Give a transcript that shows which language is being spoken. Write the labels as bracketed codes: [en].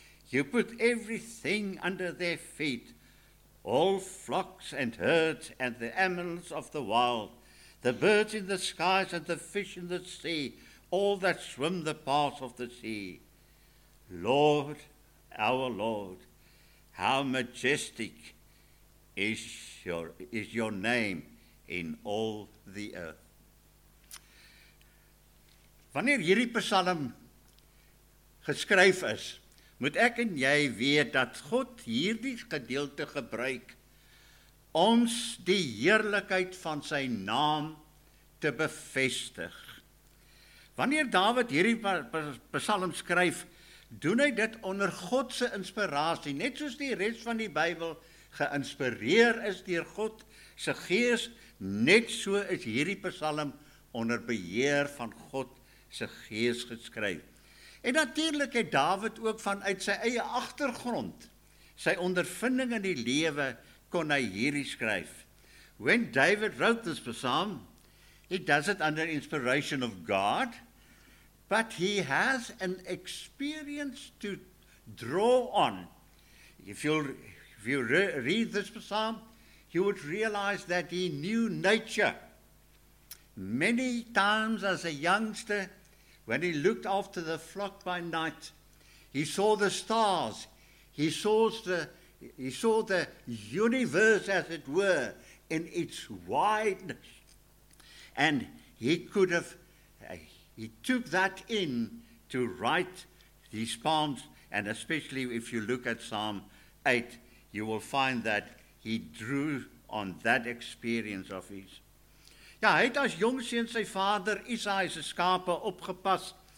[en] You put everything under their feet, all flocks and herds and the animals of the wild, the birds in the skies and the fish in the sea, all that swim the paths of the sea. Lord, our Lord, how majestic is your name in all the earth. [af] Wanneer hierdie psalm geskryf is, moet ek en jy weet dat God hierdie gedeelte gebruik om die heerlikheid van sy naam te bevestig. Wanneer Dawid hierdie psalm skryf, doen hy dit onder God se inspirasie, net soos die res van die Bybel geïnspireer is deur God se Gees, net so is hierdie psalm onder beheer van God se Gees geskryf. En natuurlik het Dawid ook vanuit sy eie agtergrond, sy ondervinding in die lewe, kon hy hierdie skryf. [en] When David wrote this psalm, he does it under inspiration of God, but he has an experience to draw on. If you read this psalm, you would realize that he knew nature. Many times as a youngster, when he looked after the flock by night, he saw the stars, he saw the universe, as it were, in its wideness. And he could have, he took that in to write these psalms, and especially if you look at Psalm 8, you will find that he drew on that experience of his. [af] Ja, hy het as jong seun sy vader Isaïe se skape opgepas.